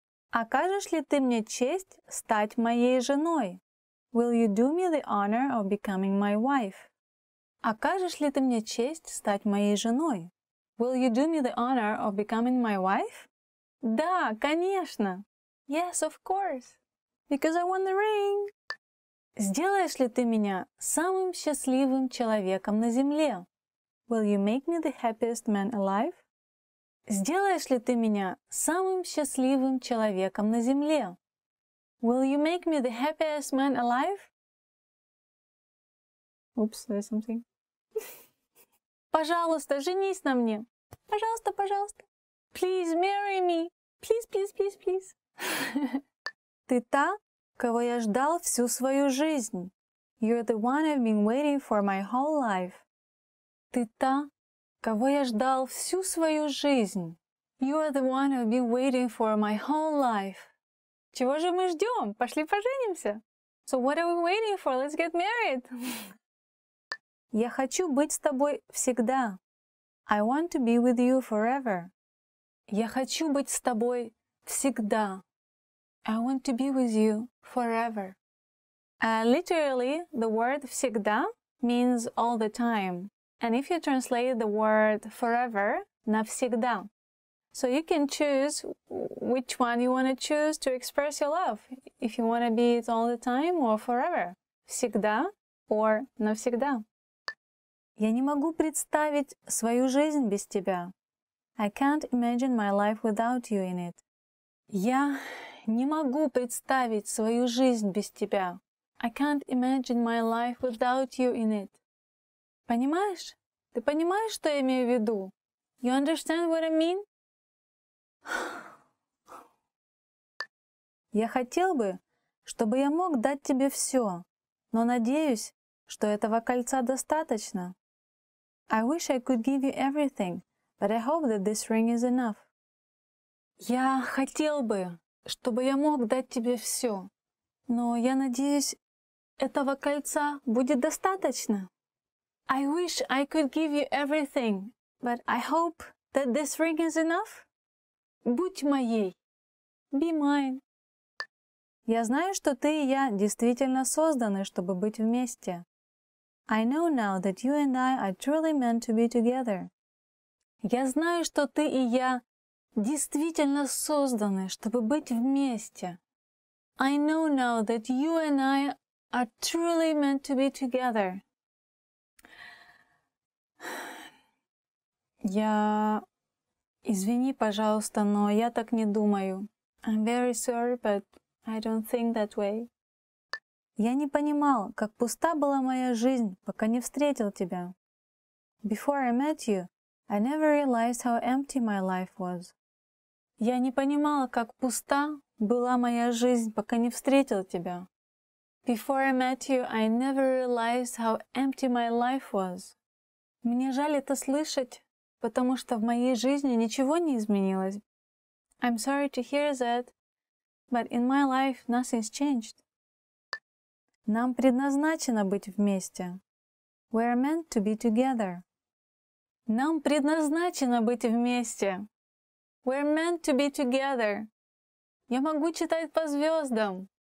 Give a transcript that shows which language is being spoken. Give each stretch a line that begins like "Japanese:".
Russian: Окажешь ли ты мне честь стать моей женой?
English: Will you do me the honor of becoming my wife?
Russian: Окажешь ли ты мне честь стать моей женой?
English: Will you do me the honor of becoming my wife?
Russian: Да, конечно.
English: Yes, of course. Because I won the ring.
Russian: Сделаешь ли ты меня самым счастливым человеком на земле?
English: Will you make me the happiest man alive?
Russian: Сделаешь ли ты меня самым счастливым человеком на земле?
English: Will you make me the happiest man alive? Oops, there's something.
Russian: Пожалуйста, женись на мне. Пожалуйста, пожалуйста.
English: Please marry me. Please, please, please, please.
Russian: Ты та, кого я ждал всю свою жизнь.
English: You're the one I've been waiting for my whole life.
Russian: Ты та, кого я ждал всю свою жизнь.
English: You're the one I've been waiting for my whole life.
Russian: Чего же мы ждем? Пошли поженимся.
English: So what are we waiting for? Let's get married.
Russian: Я хочу быть с тобой всегда.
English: I want to be with you forever.
Russian: Я хочу быть с тобой всегда.
English: I want to be with you forever. Literally, the word всегда means all the time. And if you translate the word forever, навсегда. So you can choose which one you want to choose to express your love. If you want to be it all the time or forever. Всегда or навсегда.
Russian: Я не могу представить свою жизнь без тебя.
English: I can't imagine my life without you in it.
Russian: Я не могу представить свою жизнь без тебя.
English: I can't imagine my life without you in it.
Russian: Понимаешь? Ты понимаешь, что я имею в виду?
English: You understand what I mean?
Russian: Я хотел бы, чтобы я мог дать тебе все, но надеюсь, что этого кольца достаточно.
English: I wish I could give you everything, but I hope that this ring is enough.
Russian: Я хотел бы, чтобы я мог дать тебе все, но я надеюсь, этого кольца будет достаточно.
English: I wish I could give you everything, but I hope that this ring is enough.
Russian: Будь моей.
English: Be mine.
Russian: Я знаю, что ты и я действительно созданы, чтобы быть вместе.
English: I know now that you and I are truly meant to be together.
Russian: Я знаю, что ты и я действительно созданы, чтобы быть вместе.
English: I know now that you and I are truly meant to be together.
Russian: Я... Извини, пожалуйста, но я так не думаю.
English: I'm very sorry, but I don't think that way.
Russian: Я не понимал, как пуста была моя жизнь, пока не встретил тебя.
English: Before I met you, I never realized how empty my life was.
Russian: Я не понимал, как пуста была моя жизнь, пока не встретил тебя.
English: Before I met you, I never realized how empty my life was.
Russian: Мне жаль это слышать. Потому что в моей жизни ничего не изменилось.
English: I'm sorry to hear that, but in my life nothing's changed.
Russian: Нам предназначено быть вместе.
English: We're meant to be together.
Russian: Нам предназначено быть вместе.
English: We're meant to be together.
Russian: Я могу читать по звездам.